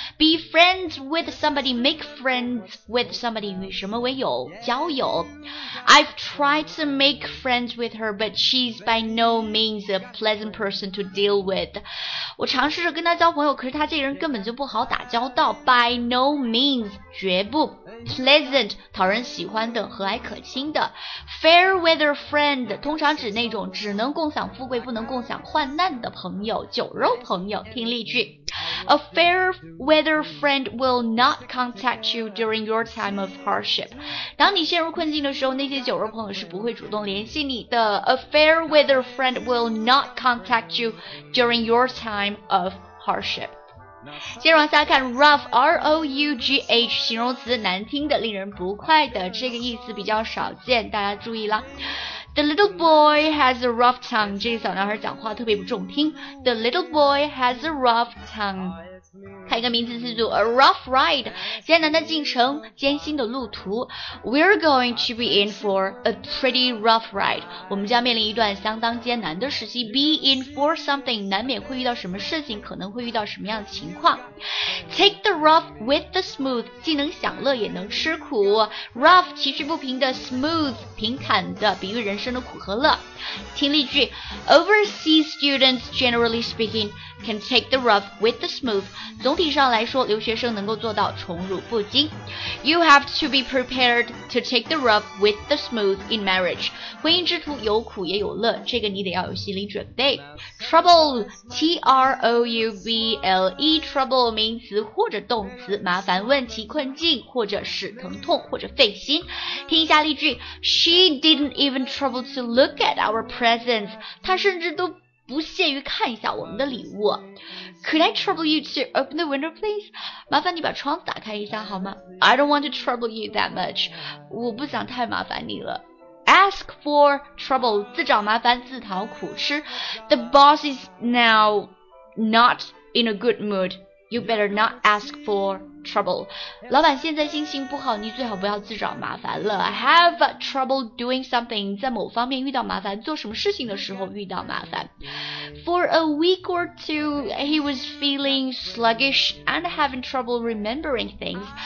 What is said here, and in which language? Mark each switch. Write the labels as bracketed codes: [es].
[en] Be friends with somebody， make friends with somebody， [zh] 与什么为友，交友。 [en] I've tried to make friends with her but she's by no means a pleasant person to deal with. [zh] 我尝试着跟她交朋友，可是她这个人根本就不好打交道。 [en] By no means, [zh] 绝不 pleasant, 讨人喜欢的，和蔼可亲的。 [en] Fair weather friend, [zh] 通常指那种只能共享富贵，不能共享患难的朋友，酒肉朋友。听例句。 [en] A fair weather friend will not contact you during your time of hardship. [zh] 当你陷入困境的时候，那些酒肉朋友是不会主动联系你的。 [en] A fair weather friend will not contact you during your time of hardship. [zh] 接着往下看 rough, R-O-U-G-H, 形容词，难听的，令人不快的，这个意思比较少见，大家注意啦。 [en] The little boy has a rough tongue. [zh] 这个小男孩讲话特别不中听。 [en] The little boy has a rough tongue. [zh] 看一个名词词组 , [en] a rough ride, [zh] 艰难的进程，艰辛的路途。 [en] We're going to be in for a pretty rough ride. [zh] 我们将面临一段相当艰难的时期。 [en] Be in for something, [zh] 难免会遇到什么事情，可能会遇到什么样的情况。 [en] Take the rough with the smooth, [zh] 既能享乐也能吃苦。 Rough, 崎岖不平的 smooth, 平坦的，比喻人生的苦和乐。听例句 [en] ,overseas students, generally speaking, can take the rough with the smooth. [zh] 总体上来说，留学生能够做到宠辱不惊。 [en] You have to be prepared to take the rough with the smooth in marriage. [zh] 婚姻之途有苦也有乐，这个你得要有心理准备。 Trouble, T-R-O-U-B-L-E, trouble, 名词或者动词，麻烦问题困境，或者是疼痛，或者费心。 [en] 听一下例句 , She didn't even trouble to look at our presents. [zh] 她甚至都不屑于看一下我们的礼物。 [en] Could I trouble you to open the window, please? [zh] 麻烦你把窗子打开一下好吗 ? [en] I don't want to trouble you that much. [zh] 我不想太麻烦你了。 [en] Ask for trouble, [zh] 自找麻烦，自讨苦吃。 [en] The boss is now not in a good mood. You better not ask for trouble. [zh] 老板现在心情不好，你最好不要自找麻烦了。 [en] Have trouble doing something, [zh] 在某方面遇到麻烦，做什么事情的时候遇到麻烦。 [en] For a week or two, he was feeling sluggish and having trouble remembering things.